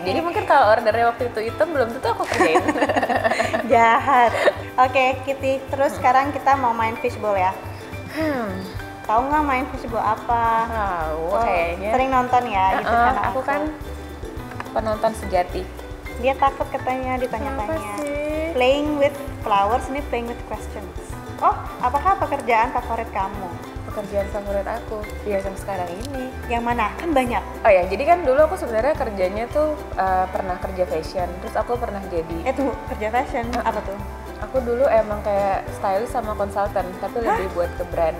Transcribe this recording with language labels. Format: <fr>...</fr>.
<id>Jadi mungkin kalau ordernya waktu itu hitam, belum tentu aku kerjain. Jahat. Oke, Kitty, terus sekarang kita mau main fishbowl ya. Tahu nggak main fishbowl apa? Tahu, oh, kayaknya. Sering nonton ya, gitu kan. Aku kan penonton sejati. Dia takut katanya ditanya-tanya. Apa sih?</id> <en>Playing with flowers,</en> <id>ini</id> <en>playing with questions.</en> <id>Oh, apakah pekerjaan favorit kamu? Pekerjaan favorit aku? Ya, yang sekarang ini. Yang mana? Kan banyak. Oh ya, jadi kan dulu aku sebenarnya kerjanya tuh pernah kerja fashion. Terus aku pernah jadi... Eh, tunggu, kerja fashion? Apa tuh? Aku dulu emang kayak stylist sama konsultan, tapi lebih buat ke brand.</id>